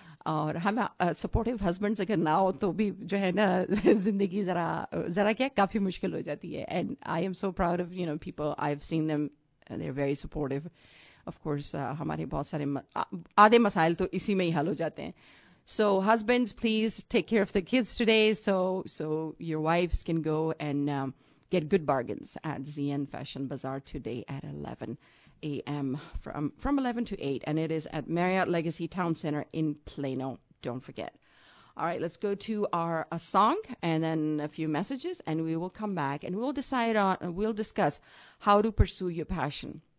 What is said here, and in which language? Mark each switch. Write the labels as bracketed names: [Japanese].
[Urdu] اور ہم supportive husbands اگر نہ ہو تو بھی جو ہے نا زندگی ذرا کیا کافی مشکل ہو جاتی ہے. [English] And I am so proud of you know people I have seen them they are very supportive. Of course [Urdu] ہمارے بہت سارے آدھے مسائل تو اسی میں ہی حل ہو جاتے ہیں. [English] So husbands please take care of the kids today so your wives can go and get good bargains at the N fashion bazaar today at 11 a.m. from 11 to 8, and it is at Marriott Legacy Town Center in Plano. Don't forget. All right, let's go to our a song and then a few messages, and we will come back and we'll discuss how to pursue your passion.